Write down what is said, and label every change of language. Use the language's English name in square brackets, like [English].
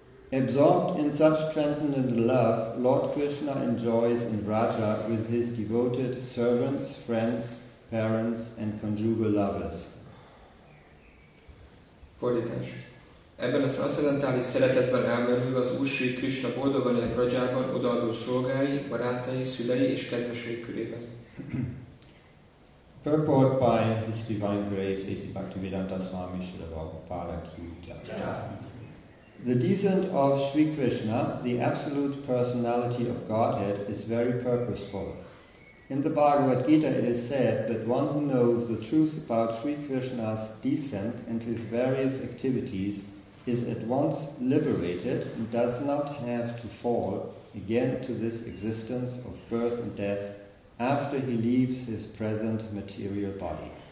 [English] Absorbed in such transcendental love, Lord Krishna enjoys in Vraja with his devoted servants, friends, parents and conjugal lovers. [Hungarian] Fordítás. Ebben a transzendentális szeretetben elmerülve az Úr Srí Krishna boldogan él Vrajában odaadó szolgái, barátai, szülei és kedvesei körében. [English] Purport by His Divine Grace A.C. Bhaktivedanta Swami Srila Prabhupada Kirtan. The descent of Sri Krishna, the absolute personality of Godhead, is very purposeful. In the Bhagavad Gita it is said that one who knows the truth about Sri Krishna's descent and his various activities is at once liberated and does not have to fall again to this existence of birth and death after he leaves his present material body.